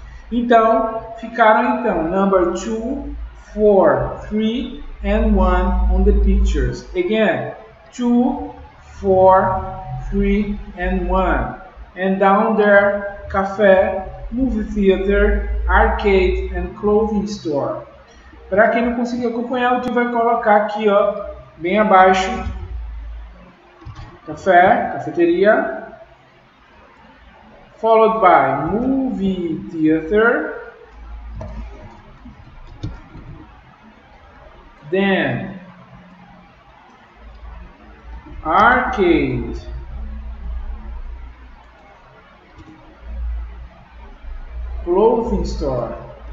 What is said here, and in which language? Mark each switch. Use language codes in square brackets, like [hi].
[pt] Então, ficaram então [en] number 2, 4, 3 and 1 on the pictures. Again, 2, 4, 3 and 1. And down there, café, movie theater, arcade and clothing store. [pt] Para quem não conseguiu acompanhar, o tio vai colocar aqui, ó, bem abaixo. [en] Café, cafeteria, followed by movie theater, then arcade, clothing store.